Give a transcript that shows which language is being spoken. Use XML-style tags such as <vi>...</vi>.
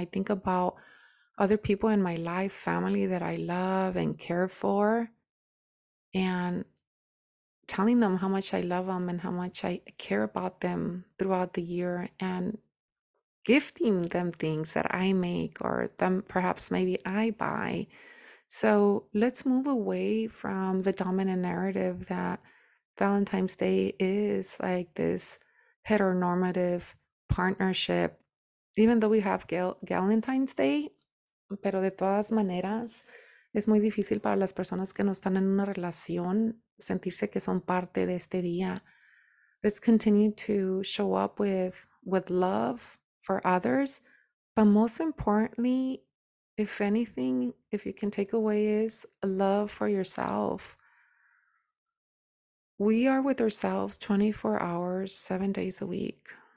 <en>I think about other people in my life, family that I love and care for, and telling them how much I love them and how much I care about them throughout the year, and gifting them things that I make or them perhaps maybe I buy. So let's move away from the dominant narrative that Valentine's Day is like this heteronormative partnership, even though we have Galentine's Day.</en> <es>Pero de todas maneras, es muy difícil para las personas que no están en una relación sentirse que son parte de este día.</es> <en>Let's continue to show up with love for others. But most importantly, if anything, if you can take away, is love for yourself. We are with ourselves 24 hours, 7 days a week.</en>